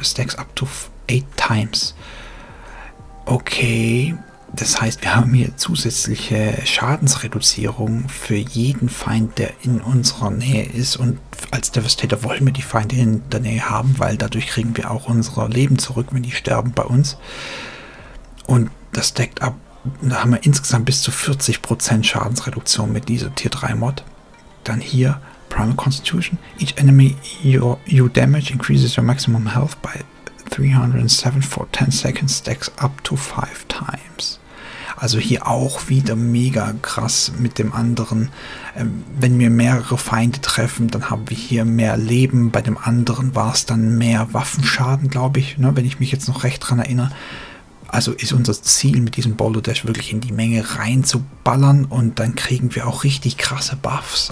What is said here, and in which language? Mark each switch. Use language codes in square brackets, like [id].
[en] Stacks up to 8 times. [de] Okay, das heißt, wir haben hier zusätzliche Schadensreduzierung für jeden Feind, der in unserer Nähe ist. Und als Devastator wollen wir die Feinde in der Nähe haben, weil dadurch kriegen wir auch unser Leben zurück, wenn die sterben bei uns. Und das stackt ab da haben wir insgesamt bis zu 40% Schadensreduktion mit dieser Tier 3 Mod. Dann hier Primal Constitution. [en] Each enemy you damage increases your maximum health by 307 for 10 seconds, stacks up to 5 times. [de] Also hier auch wieder mega krass mit dem anderen. Wenn wir mehrere Feinde treffen, dann haben wir hier mehr Leben. Bei dem anderen war es dann mehr Waffenschaden, glaube ich, ne, wenn ich mich jetzt noch recht dran erinnere. Also ist unser Ziel mit diesem Boulder Dash wirklich in die Menge reinzuballern und dann kriegen wir auch richtig krasse Buffs.